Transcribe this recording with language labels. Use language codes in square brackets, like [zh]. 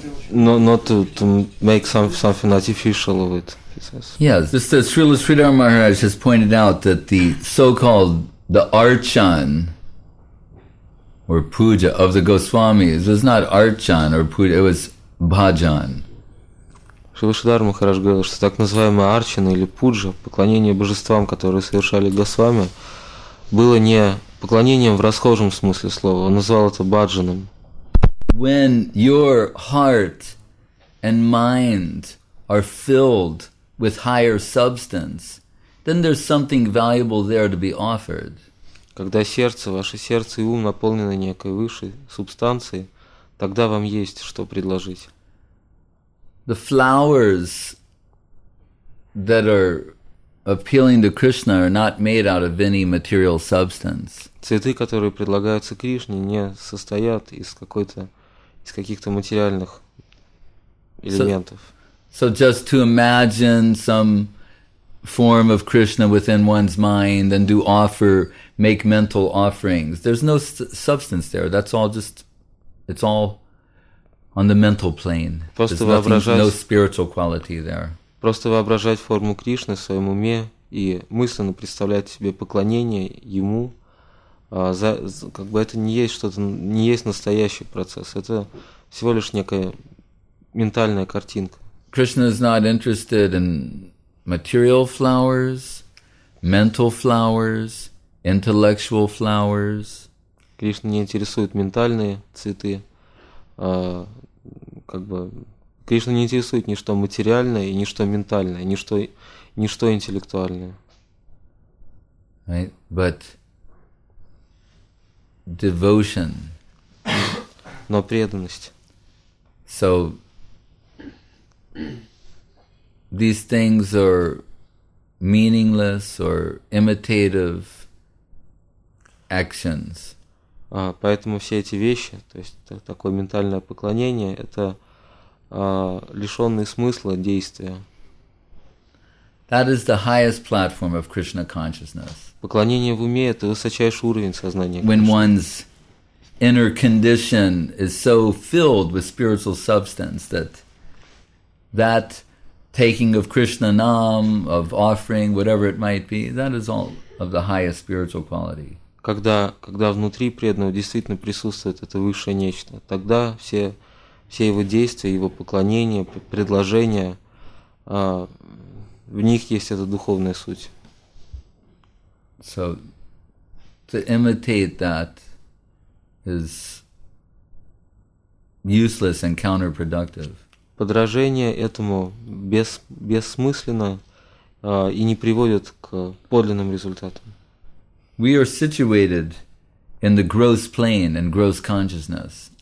[en] Not to make something artificial of it, he says. Yes, just as Srila Sridhar Maharaj has pointed out that the so-called the archan or puja of the Goswamis was not archan or puja, it was bhajan. [ru] Шрила Шридхар Махарадж говорил, что так называемая арчана или пуджа, поклонение божествам, которые совершали госвами, было не поклонением в расхожем смысле слова, он назвал это бхаджаном. [en] When your heart and mind are filled with higher substance, then there's something valuable there to be offered. [ru] Когда сердце, ваше сердце и ум наполнены некой высшей субстанцией, тогда вам есть что предложить. [en] The flowers that are appealing to Krishna are not made out of any material substance. [ru] Цветы, которые предлагаются Кришне, не состоят из какой-то, из каких-то материальных элементов. [en] So just to imagine some form of Krishna within one's mind and do offer, make mental offerings. There's no substance there. That's all just, it's all on the mental plane. [ru] Просто [en] there's nothing, no spiritual quality there. [ru] Просто воображать форму Кришны в своем уме и мысленно представлять себе поклонение ему, как бы это не есть что-то, не есть настоящий процесс. Это всего лишь некая ментальная картинка. [en] Krishna is not interested in material flowers, mental flowers, intellectual flowers. [ru] Кришна не интересует ментальные цветы. Как бы Кришна не интересует ничто материальное и ничто ментальное, ничто интеллектуальное. [en] Right? But devotion. [ru] Но преданность. [en] So these things are meaningless or imitative actions. [ru] Поэтому все эти вещи, то есть такое ментальное поклонение, это лишённые смысла действия. [en] That is the highest platform of Krishna consciousness. [ru] Поклонение в уме – это высочайший уровень сознания. [en] When one's inner condition is so filled with spiritual substance that taking of Krishna nam, of offering, whatever it might be, that is all of the highest spiritual quality. [ru] Когда внутри преданного действительно присутствует это высшее нечто, тогда все его действия, его поклонения, предложения, в них есть эта духовная суть. [en] So, to imitate that is useless and counterproductive. [ru] Подражение этому бессмысленно и не приводит к подлинным результатам. [en] We are situated in the gross plane and gross consciousness.